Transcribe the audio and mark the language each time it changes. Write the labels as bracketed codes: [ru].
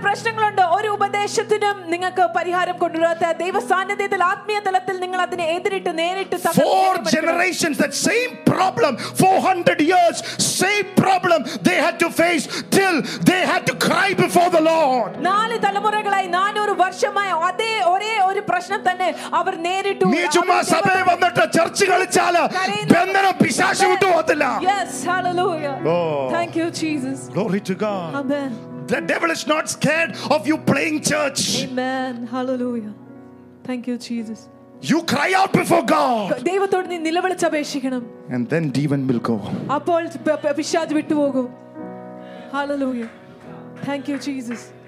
[ml] പ്രശ്നങ്ങളുണ്ട് ഒരു ഉപദേശത്തിനും നിങ്ങൾക്ക് പരിഹാരം കൊണ്ടുവരാത്ത ദൈവ സാന്നിധ്യത്തിൽ ആത്മീയ തലത്തിൽ നിങ്ങൾ അതിനെ എതിരിട്ട് നേരിട്ട് [en] Four generations, that same problem, 400 years, same problem they had to face till they had to cry before the Lord. [ml] നാല് തലമുറകളായി 400 വർഷമായി അതേ ഒരേ ഒരു പ്രശ്നം തന്നെ അവർ നേരിട്ടു. നീ ചുമ്മാ സഭയിൽ വന്നിട്ട് ചർച്ച കളിച്ചാല ബന്ധന പിശാചു വിട്ട് പോകത്തില്ല. [en] Yes, hallelujah. Oh. Thank you, Jesus. Glory to God. Amen. The devil is not scared of you playing church. Amen. Hallelujah. Thank you, Jesus. You cry out before God. [ml] ദൈവത്തോട് നീ നിലവിളിച്ച് അപേക്ഷിക്കണം. [en] And then demon will go. [ml] അപ്പോൾ പിശാച് വിട്ടു പോകും. [en] Hallelujah. Thank you Jesus.